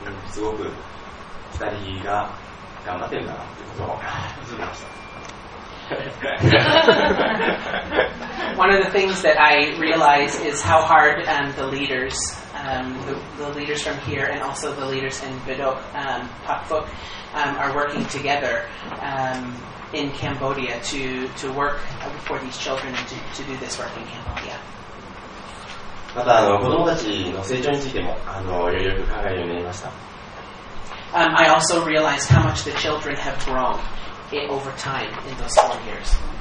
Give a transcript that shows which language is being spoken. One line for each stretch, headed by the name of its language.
Japanese: すごく二人が頑張ってるんだなってことを感じました。
English: One of the things that I realize is how hard the leaders, the leaders from here and also the leaders in Bidok, Pakfuk, are working together in Cambodia to work for these children and to do this work in Cambodia.
Japanese: また子供たちの成長についてもよく考えるようになりました。
English: I also realized how much the children have grown over time in those 4 years.